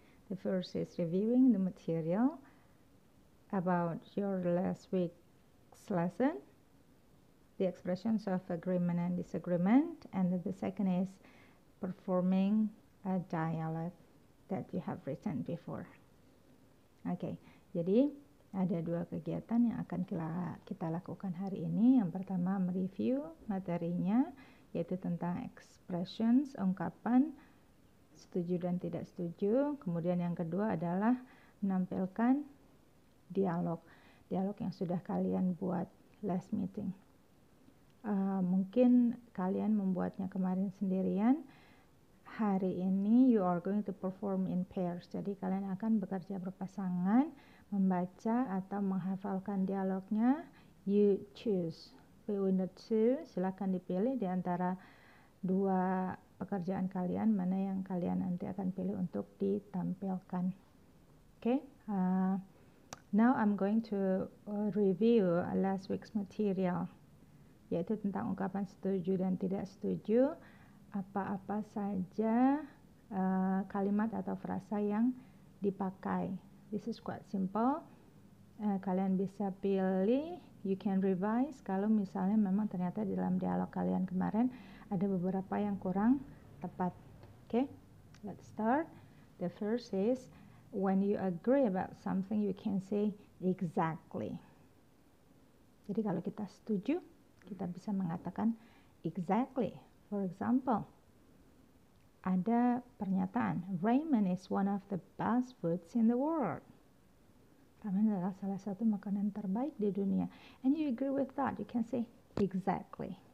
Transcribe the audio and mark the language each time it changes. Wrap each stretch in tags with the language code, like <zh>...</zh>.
<en>The first is reviewing the material about your last week's lesson, the expressions of agreement and disagreement, and the second is performing a dialogue that you have written before.</en> <id>Okay, jadi ada dua kegiatan yang akan kita lakukan hari ini. Yang pertama, mereview materinya, yaitu tentang expressions, ungkapan setuju dan tidak setuju. Kemudian yang kedua adalah menampilkan dialog yang sudah kalian buat</id> <en>last meeting.</en> <id>Mungkin kalian membuatnya kemarin sendirian. Hari ini</id> <en>you are going to perform in pairs.</en> <id>Jadi kalian akan bekerja berpasangan, membaca atau menghafalkan dialognya.</id> <en>You choose. Between the two,</en> <id>silakan dipilih di antara dua pekerjaan kalian mana yang kalian nanti akan pilih untuk ditampilkan.</id> <en>Okay? Now I'm going to review last week's material,</en> <id>yaitu tentang ungkapan setuju dan tidak setuju. Apa-apa saja kalimat atau frasa yang dipakai.</id> <en>This is quite simple.</en> <id>Kalian bisa pilih,</id> <en>you can revise.</en> <id>Kalau misalnya memang ternyata di dalam dialog kalian kemarin ada beberapa yang kurang tepat.</id> <en>Okay, let's start. The first is, when you agree about something, you can say exactly.</en> <id>Jadi kalau kita setuju, kita bisa mengatakan exactly.</id> <en>For example,</en> <id>ada pernyataan,</id> <en>ramen is one of the best foods in the world.</en> <id>Ramen adalah salah satu makanan terbaik di dunia.</id> <en>And you agree with that, you can say, exactly.</en>